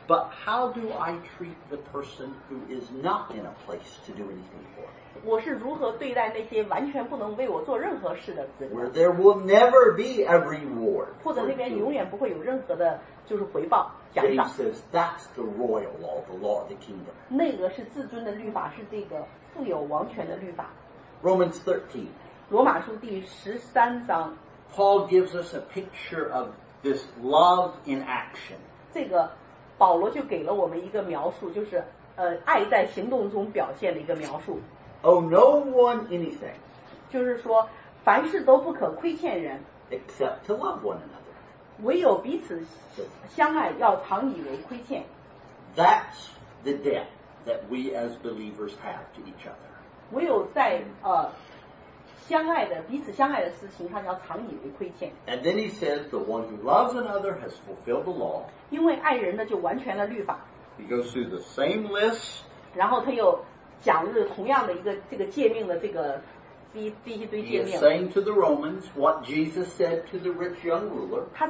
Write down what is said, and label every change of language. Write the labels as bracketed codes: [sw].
[en] But how do I treat the person who is not in a place to do anything for me? [zh] 我是如何对待那些完全不能为我做任何事的人 [en] where there will never be a reward [zh] 或者那边永远不会有任何的就是回报 [en] James says that's the royal law, the law of the kingdom [zh] 那个是至尊的律法, 是这个富有王权的律法 [en] Romans 13 [zh] 罗马书第13章 [en] Paul gives us a picture of this love in action [zh] 这个保罗就给了我们一个描述 就是爱在行动中表现的一个描述 [en] owe no one anything [zh] 就是说, 凡事都不可亏欠人, [en] except to love one another [zh] 唯有彼此相爱, [en] that's the debt that we as believers have to each other [zh] 唯有在, 相爱的彼此相爱的事情上要常以为亏欠 [en] and then he says the one who loves another has fulfilled the law [zh] 因为爱人的就完全了律法 [en] he goes through the same list [zh] 然后他又 讲的同样的一个这个诫命的这个第一堆诫命 [en] saying to the Romans what Jesus said to the rich young ruler